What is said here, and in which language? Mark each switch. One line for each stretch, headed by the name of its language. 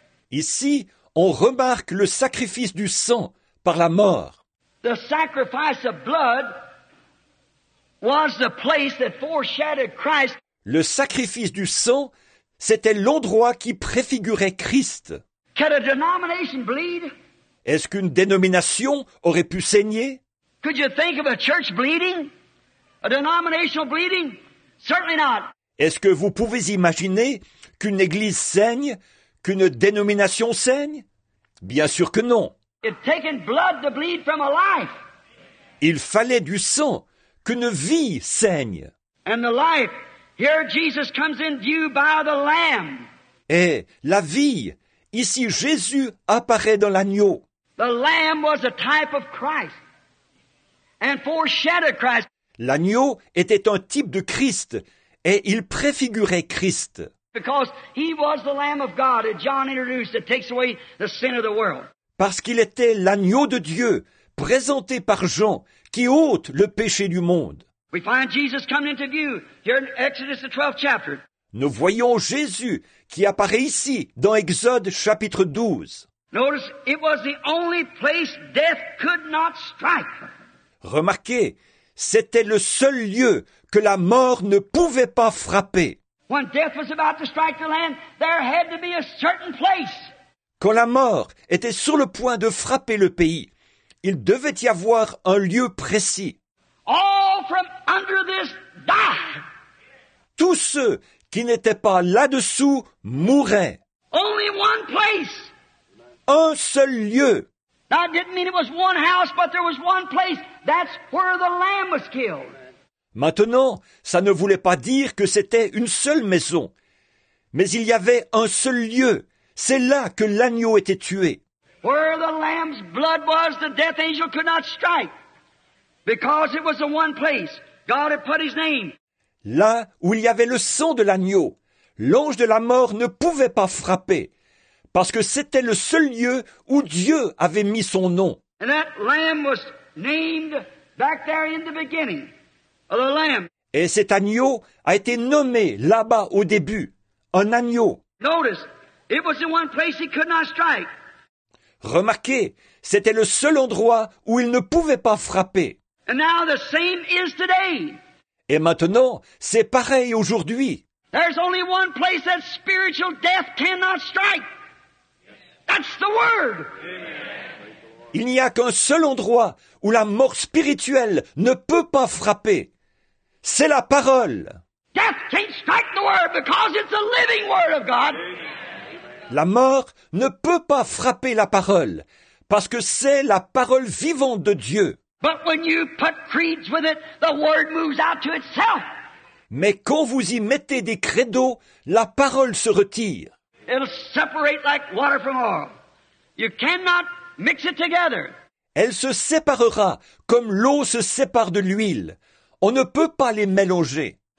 French: Ici, on remarque le sacrifice du sang par la mort.
English: The sacrifice of blood was the place that foreshadowed Christ.
French: Le sacrifice du sang, c'était l'endroit qui préfigurait Christ.
English: Can a denomination bleed?
French: Est-ce qu'une dénomination aurait pu saigner?
English: Could you think of a church bleeding? A denominational bleeding? Certainly not.
French: Est-ce que vous pouvez imaginer qu'une église saigne, qu'une dénomination saigne? Bien sûr que non.
English: It taken blood to bleed from a life.
French: Il fallait du sang, qu'une vie saigne.
English: And the life, here Jesus comes in view by the Lamb.
French: Et la vie, ici Jésus apparaît dans l'agneau.
English: The Lamb was a type of Christ and foreshadowed Christ.
French: L'agneau était un type de Christ et il préfigurait Christ.
English: Because he was the Lamb of God that John introduced that takes away the sin of the world.
French: Parce qu'il était l'agneau de Dieu présenté par Jean qui ôte le péché du monde.
English: We find Jesus coming into view here in Exodus the 12th chapter.
French: Nous voyons Jésus qui apparaît ici dans Exode chapitre 12.
English: Notice it was the only place death could not strike.
French: Remarquez, c'était le seul lieu que la mort ne pouvait pas frapper.
English: When death was about to strike the land, there had to be a certain place.
French: Quand la mort était sur le point de frapper le pays, il devait y avoir un lieu précis.
English: All from under this die.
French: Tous ceux qui n'étaient pas là-dessous mouraient.
English: Only one place.
French: Un seul lieu.
English: That didn't mean it was one house, but there was one place. That's where the Lamb was killed.
French: Maintenant, ça ne voulait pas dire que c'était une seule maison, mais il y avait un seul lieu. C'est là que l'agneau était tué.
English: Where the Lamb's blood was, the death angel could not strike, because it was the one place God had put His name.
French: Là où il y avait le sang de l'agneau, l'ange de la mort ne pouvait pas frapper, parce que c'était le seul lieu où Dieu avait mis son nom.
English: And that Lamb was named back there in the beginning. The Lamb.
French: Et cet agneau a été nommé là-bas au début, un agneau.
English: Notice, it was the one place he could not strike.
French: Remarquez, c'était le seul endroit où il ne pouvait pas frapper.
English: And now the same is today.
French: Et maintenant, c'est pareil aujourd'hui.
English: There's only one place that spiritual death cannot strike. That's the Word.
French: Il n'y a qu'un seul endroit où la mort spirituelle ne peut pas frapper. C'est la parole.
English: Death can't strike the word because it's a living word of God.
French: La mort ne peut pas frapper la parole parce que c'est la parole vivante de Dieu.
English: But when you put creeds with it, the word moves out to itself.
French: Mais quand vous y mettez des credos, la parole se retire.
English: It'll separate like water from oil. You cannot mix it together.
French: Elle se séparera comme l'eau se sépare de l'huile. On ne peut pas les mélanger.